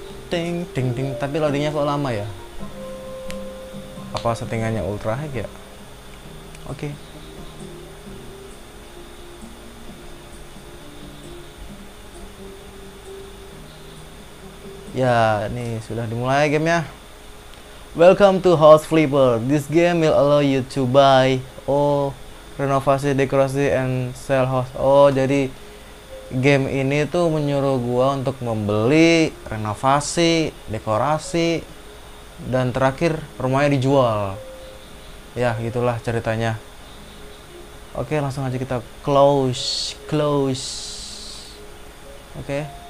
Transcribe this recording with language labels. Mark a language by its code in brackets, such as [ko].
[id] Ting ting ting, tapi loadingnya kok lama ya? Apa settingannya ultra high ya? Oke. Ya, ini sudah dimulai gamenya. [en] Welcome to House Flipper. This game will allow you to buy, [id] renovasi, dekorasi, [en] and sell house. [id] Oh, jadi game ini tuh menyuruh gua untuk membeli, renovasi, dekorasi, dan terakhir rumahnya dijual. Ya, itulah ceritanya. Oke, langsung aja kita close, close. Oke.